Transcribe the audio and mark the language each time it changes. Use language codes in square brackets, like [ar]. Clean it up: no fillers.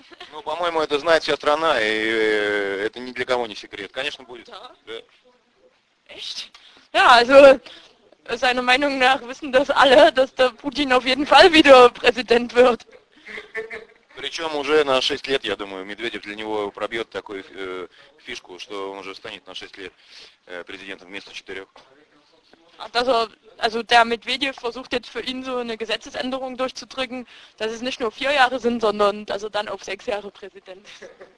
[ru] Ну, по-моему, это знает вся страна, и это ни для кого не секрет. Конечно, будет. Да? [de] Echt? Ja, also, seiner Meinung nach wissen das alle, dass der Putin auf jeden Fall wieder Präsident wird. [ru] Причем уже на 6 лет, я думаю, Медведев для него пробьет такую фишку, что он уже станет на 6 лет президентом вместо 4. [de] Also der Medvedev versucht jetzt für ihn so eine Gesetzesänderung durchzudrücken, dass es nicht nur 4 Jahre sind, sondern dass er dann auf 6 Jahre Präsident ist.